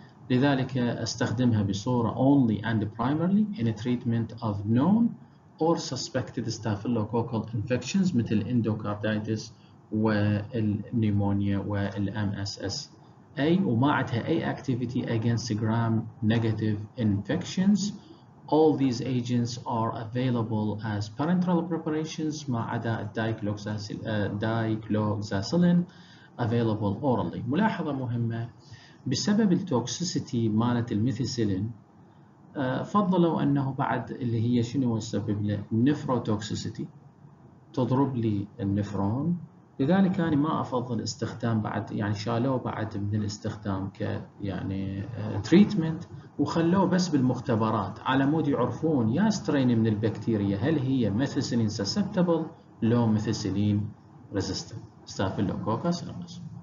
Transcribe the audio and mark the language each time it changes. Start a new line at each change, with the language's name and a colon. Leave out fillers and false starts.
Arabic: لذلك استخدمها بصوره
English: only and primarily in treatment of known or suspected staphylococcal infections مثل endocarditis والنيمونيا والام S S A,
Arabic: وما عندها اي
English: Activity against gram negative infections. All these agents are available as parenteral preparations
Arabic: مع عدا الدايكلوكساسيلين
English: available orally.
Arabic: ملاحظة مهمة، بسبب التوكسيسيتي مالت الميثيسيلين فضلوا انه بعد اللي هي شنو السبب له نيفروتوكسيسيتي تضرب لي النفرون، لذلك انا ما افضل استخدام بعد يعني شالوه بعد من الاستخدام ك يعني تريتمنت وخلوه بس بالمختبرات على مود يعرفون يا سترين من البكتيريا هل هي ميثيسيلين سسبتبل لو ميثيسيلين ريزيستنت ستافيلوكوكس ارنس.